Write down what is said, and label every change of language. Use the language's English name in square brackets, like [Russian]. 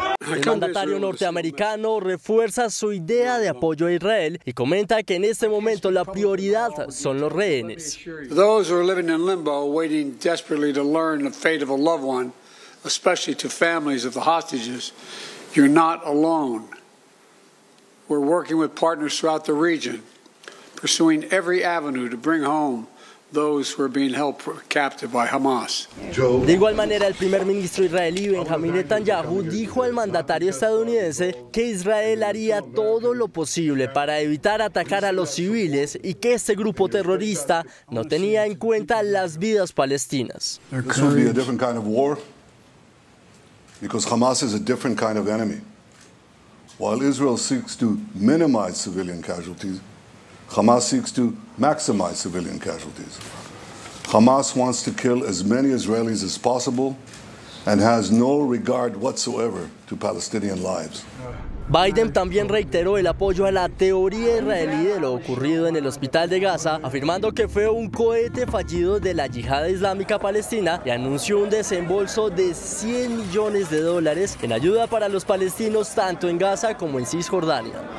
[Spanish] El mandatario norteamericano refuerza su idea de apoyo a Israel y comenta que en este momento la prioridad son los rehenes. [English] Those who are living in limbo, waiting desperately to learn the fate of a loved one, especially to families of the hostages, you're not alone. We're working with partners throughout the region, pursuing every avenue to bring home those who are being held captive by Hamas. [Spanish] De igual manera, el primer ministro israelí Benjamin Netanyahu dijo al mandatario estadounidense que Israel haría todo lo posible para evitar atacar a los civiles y que este grupo terrorista no tenía en cuenta las vidas palestinas. [English] This would be a different kind of war because Hamas is a different kind of enemy. While Israel seeks to minimize civilian casualties, Hamas seeks to maximize civilian casualties. Hamas wants to kill as many Israelis as possible and has no regard whatsoever to Palestinian lives. [Spanish] Biden también reiteró el apoyo a la teoría israelí de lo ocurrido en el hospital de Gaza, afirmando que fue un cohete fallido de la Yihad Islámica Palestina y anunció un desembolso de $100 millones en ayuda para los palestinos tanto en Gaza como en Cisjordania.